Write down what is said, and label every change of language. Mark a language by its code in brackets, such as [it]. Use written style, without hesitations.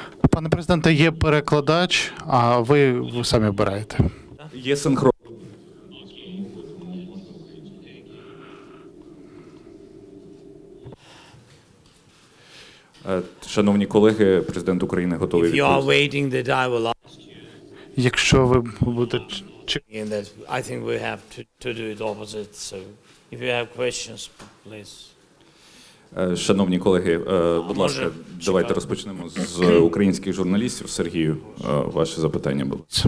[uk] Пане президенте, є перекладач, а ви самі обираєте. Є синхрон. Шановні колеги, президент України готовий відповісти. Якщо ви будете... [en] I think we have to do it opposite, so if you have questions, please. [uk] Шановні колеги, будь ласка, давайте розпочнемо з українських журналістів. Сергію, ваше запитання було.